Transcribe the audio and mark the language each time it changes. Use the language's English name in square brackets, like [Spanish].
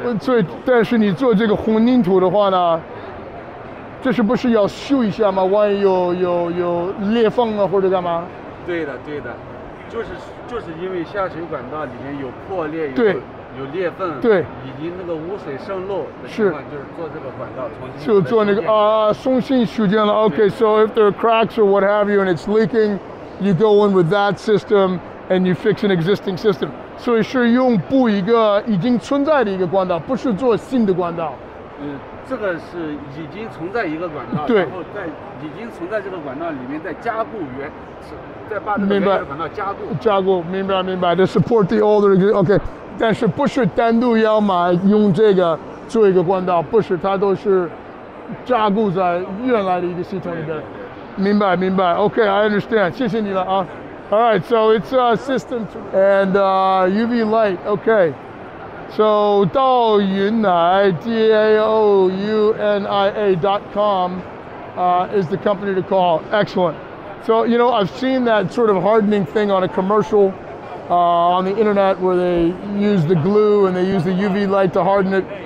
[Chinese] 对，所以但是你做这个混凝土的话呢，这是不是要修一下吗？万一有裂缝啊或者干嘛？对的。就是因为下水管道里面有破裂，有裂缝，对，以及那个污水渗漏的情况，是就是做这个管道重新就做那个重新修建了。 [English] Okay, so if there are cracks or what have you and it's leaking, you go in with that system and you fix an existing system. [Chinese] 所以是用补一个已经存在的一个管道，不是做新的管道。这个是已经存在一个管道，对，然后在已经存在这个管道里面再加固原。在把这个加固，明白。 [English] To support the older, okay. [Chinese] 但是不是单独要买用这个做一个管道，不是，它都是加固在原来的一个系统里边。明白。 [English] Okay, I understand. [Chinese] 谢谢你了啊。 [English] All right, so it's a system and UV light. Okay. So 到云奶 DAOUNIA.com is the company to call. Excellent. So, you know, I've seen that sort of hardening thing on a commercial on the internet where they use the glue and they use the UV light to harden it.